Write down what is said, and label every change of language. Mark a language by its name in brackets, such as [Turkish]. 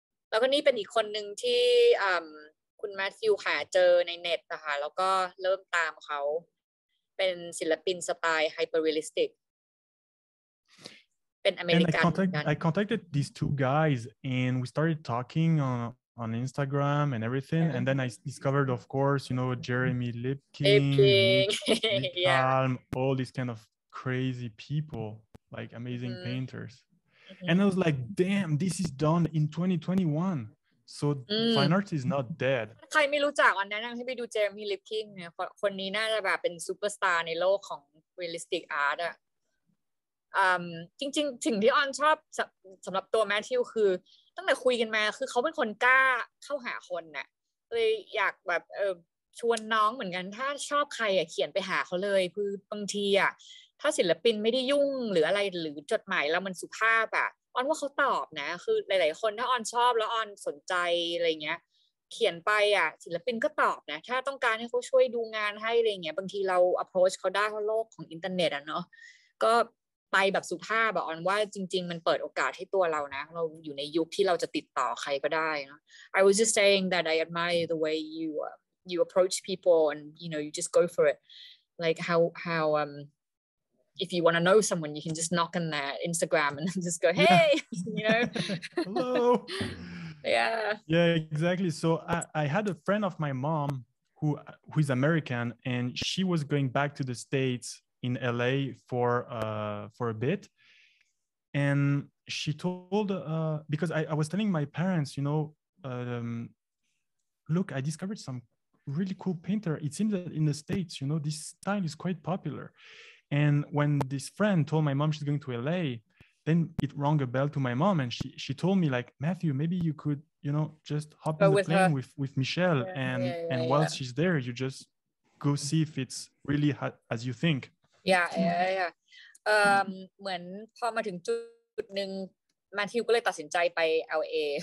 [Thai] แล้วก็นี่เป็นอีกคนหนึ่งที่คุณแมทธิวหาเจอในเน็ตนะคะแล้วก็เริ่มตามเขาเป็นศิลปินสไตล์ไฮเปอร์เรียลิสติกเป็นอเมริกัน [English] I contacted these two guys and we started talking on on Instagram and everything. Yeah. And then I discovered, of course, you know, Jeremy Lipkin, Lipkin, all these kind of crazy people, like amazing painters. And I was like, damn, this is done in 2021. So fine art is not dead. [Thai] ใครไม่รู้จักอันนั้นให้ไปดูเจอร์มี่ลิปคิงเนี่ยคนนี้น่าจะแบบเป็นซูเปอร์สตาร์ในโลกของเรียลลิสติกอาร์ตอะจริงๆสิ่งที่ออนชอบสำหรับตัวแมทธิวคือตั้งแต่คุยกันมาคือเขาเป็นคนกล้าเข้าหาคนน่ะเลยอยากแบบ ชวนน้องเหมือนกันถ้าชอบใครอะเขียนไปหาเขาเลยคือบางทีอะถ้าศิลปินไม่ได้ยุ่งหรืออะไรหรือจดหมายแล้วมันสุภาพอะออนว่าเขาตอบนะคือหลายๆคนถ้าออนชอบแล้วออนสนใจอะไรเงี้ยเขียนไปอ่ะศิลปินก็ตอบนะถ้าต้องการให้เขาช่วยดูงานให้อะไรเงี้ยบางทีเรา approach เขาได้เพราะโลกของอินเทอร์เน็ตอ่ะเนาะ ก็ไปแบบสุภาพอ่ะออนว่าจริงๆมันเปิดโอกาสให้ตัวเรานะเราอยู่ในยุคที่เราจะติดต่อใครก็ได้เนาะ [English] I was just saying that I admire the way you approach people and you know you just go for it like how if you want to know someone, you can just knock on their Instagram and just go, hey, you know. Hello. Yeah. Yeah, exactly. So I had a friend of my mom who is American, and she was going back to the States in LA for a bit. And she told, because I was telling my parents, you know, look, I discovered some really cool painter. It seems that in the States, you know, this style is quite popular. And when this friend told my mom she's going to LA, then it rang a bell to my mom. And she told me like, Matthew, maybe you could, you know, just hop but in the plane with Michelle. Yeah, while she's there, you just go see if it's really as you think. Yeah, yeah, yeah. [Thai] เหมือนพอมาถึงจุดหนึ่ง Matthew ก็เลยตัดสินใจไป LA.